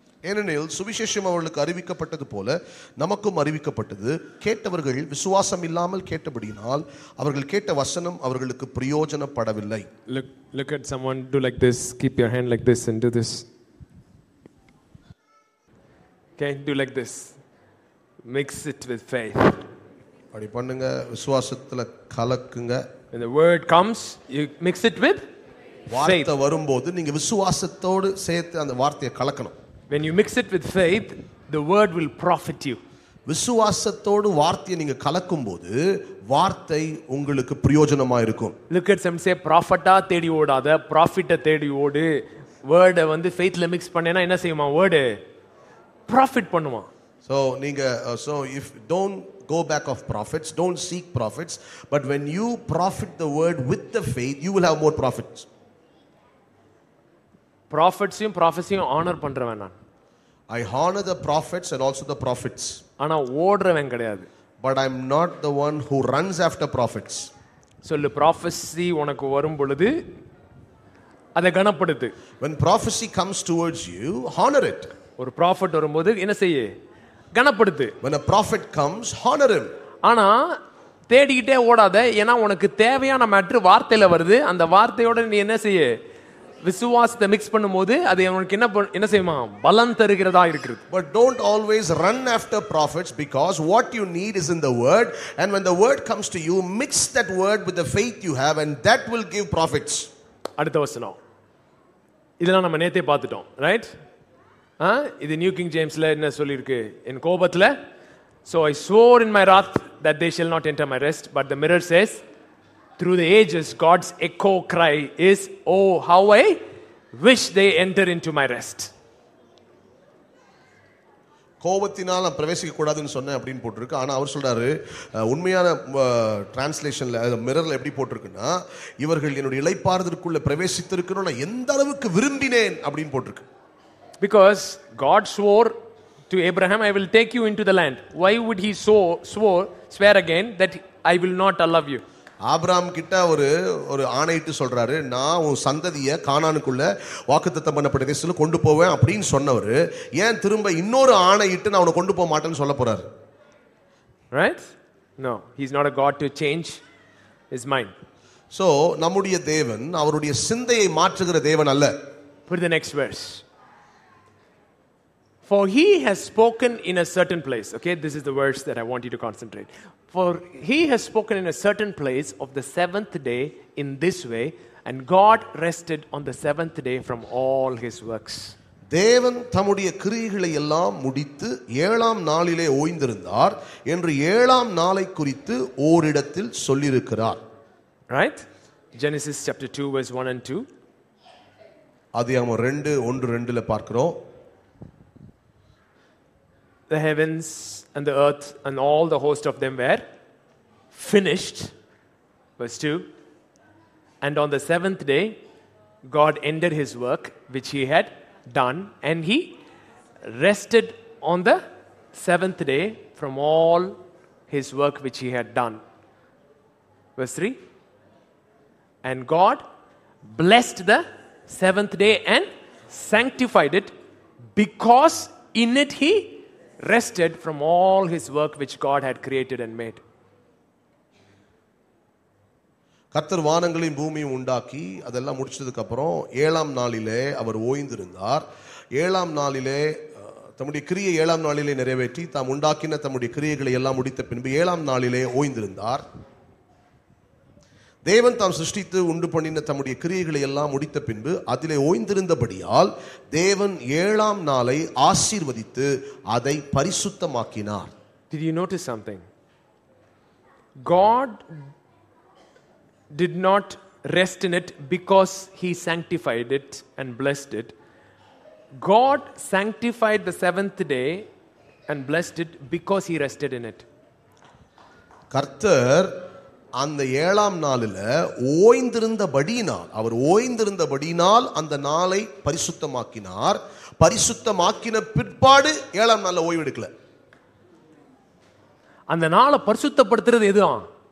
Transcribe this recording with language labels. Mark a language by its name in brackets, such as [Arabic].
[Tamil] ஏனெனில் சுவிசேஷம் அவர்களுக்கு அறிவிக்கப்பட்டது போல நமக்கும் அறிவிக்கப்பட்டது. கேட்டவர்கள் விசுவாசம் இல்லாமல் கேட்டபடியினால் அவர்கள் கேட்ட வசனம் அவர்களுக்கு பிரயோஜனப்படவில்லை. [English] Look at someone, do like this, keep your hand like this and do this. Okay, do like this. Mix it with faith. [Tamil] அப்படி பண்ணுங்க, விசுவாசத்துல கலக்குங்க. [English] When the word comes, you mix it with faith. [Tamil] வார்த்தை வரும்போது நீங்க விசுவாசத்தோடு சேர்த்து அந்த வார்த்தையை கலக்கணும். [English] When you mix it with faith, the word will profit you. [Tamil] விசுவாசத்தோடு வார்த்தையை நீங்க கலக்கும்போது வார்த்தை உங்களுக்கு பிரயோஜனமா இருக்கும். [English] Look at some say, [Tamil] profit-ஆ தேடி ஓடாத, profit-ஐ தேடி ஓடு. Word-ஐ வந்து faith-ல mix பண்ணேனா என்ன செய்யுமா, word profit பண்ணுமா. [English] So if don't go back of profits, don't seek profits, but when you profit the word with the faith, you will have more profits. [Tamil] Prophets-ஐயும் prophecy-ஐயும் honor பண்றவன் நான். [English] I honor the prophets and also the prophets. [Tamil] ஆனா ஓடுறவன் கிடையாது. [English] But I'm not the one who runs after prophets. [Tamil] சொல்லு, prophecy உனக்கு வரும் பொழுது அதை கனப்படுத்து. [English] When prophecy comes towards you, honor it. [Tamil] ஒரு prophet வரும்போது என்ன செய்ய, கனப்படுத்து. [English] When a prophet comes, honor him. [Tamil] ஆனா தேடிட்டே ஓடாத, ஏன்னா உனக்கு தேவையான மேட்டர் வார்த்தையில வருது. அந்த வார்த்தையோட நீ என்ன செய்ய, விசுவாசத்தை மிக்ஸ் பண்ணும்போது அது உங்களுக்கு என்ன என்ன செய்யுமா, பலம் தருகிறதா இருக்குது. [English] But don't always run after prophets, because what you need is in the word, and when the word comes to you, mix that word with the faith you have, and that will give profits. [Tamil] அடுத்த வசனம் இதெல்லாம் நம்ம நேத்தே பார்த்துட்டோம், right. இது new king ஜேம்ஸ்ல என்ன சொல்லியிருக்கு, என் கோபத்துல, [English] So I swore in my wrath that they shall not enter my rest, but the mirror says, Through the ages, God's echo cry is, Oh, how I wish they enter into my rest. [Tamil] கோபத்தினால் நான் பிரவேசிக்க கூடாதுன்னு சொன்னேன் அப்படின்னு போட்டிருக்கு. ஆனால் அவர் சொல்கிறாரு, உண்மையான டிரான்ஸ்லேஷனில் மிரரில் எப்படி போட்டிருக்குன்னா, இவர்கள் என்னுடைய இளைப்பாறுதற்குள்ளே பிரவேசித்திருக்கணும் நான் எந்த அளவுக்கு விரும்பினேன் அப்படின்னு போட்டிருக்கு. [English] Because God swore to Abraham, I will take you into the land. Why would he so swore swear again that I will not allow you. [Tamil] Abram கிட்ட ஒரு ஒரு ஆணையிட்டு சொல்றாரு, நான் உன் சந்ததிய கானானுக்குள்ள வாக்குத்தத்தம் பண்ணப்பட்ட தேசத்துல கொண்டு போவேன் அப்படின்னு சொன்னவர் ஏன் திரும்ப இன்னொரு ஆணையிட்டு நான் அவனை கொண்டு போக மாட்டேன்னு சொல்ல போறாரு? Right? [English] No, he's not a God to change his mind. [Tamil] So, நம்முடைய தேவன் அவருடைய சிந்தையை மாற்றுகிற தேவன் அல்ல. [English] For the next verse. For he has spoken in a certain place. Okay, this is the verse that I want you to concentrate. For he has spoken in a certain place of the seventh day in this way, and God rested on the seventh day from all his works. [Tamil] Devan thamudaiya kriyigalai ellam mudithu ஏழாம் நாளிலே ஓய்ந்திருந்தார் என்று ஏழாம் நாளை குறித்து ஓரிடத்தில் சொல்லியிருக்கிறார். [English] Right? Genesis chapter 2 verse 1 and 2. [Tamil] அதியாகம 2 1 2 ல பார்க்கிறோம். [English] The heavens and the earth and all the host of them were finished. Verse 2. And on the seventh day, God ended his work which he had done, and he rested on the seventh day from all his work which he had done. Verse 3. And God blessed the seventh day and sanctified it, because in it he rested from all his work which God had created and made. [Tamil] கர்த்தர் வானங்களையும் பூமியையும் உண்டாக்கி அதெல்லாம் முடிச்சதுக்கு அப்புறம் ஏழாம் நாளிலே அவர் ஓய்ந்திருந்தார். ஏழாம் நாளிலே தம்முடைய கிரியை ஏழாம் நாளிலே நிறைவேற்றி தாம் உண்டாக்கின தம்முடைய கிரியைகளை எல்லாம் முடித்த பின்பு ஏழாம் நாளிலே ஓய்ந்திருந்தார். தேவன் தாம் சிருஷ்டித்து உண்டு பண்ணின தம்முடைய கிரியைகளை எல்லாம் முடித்த பின்பு அதிலே ஓய்ந்திருந்தபடியால் தேவன் ஏழாம் நாளை ஆசீர்வதித்து அதை பரிசுத்தமாக்கினார். [English] Did you notice something? God did not rest in it because he sanctified it and blessed it. God sanctified the seventh day and blessed it because he rested in it. [Tamil] கர்த்தர் அந்த ஏழாம் நாளில் ஓய்ந்திருந்தபடியினால், அவர் ஓய்ந்திருந்தபடியினால் அந்த நாளை பரிசுத்தமாக்கினார். பரிசுத்தமாக்கின பிற்பாடு ஏழாம் நாளில் ஓய்வு எடுக்கல. அந்த நாளை பரிசுத்தப்படுத்துறது எதுவாம்?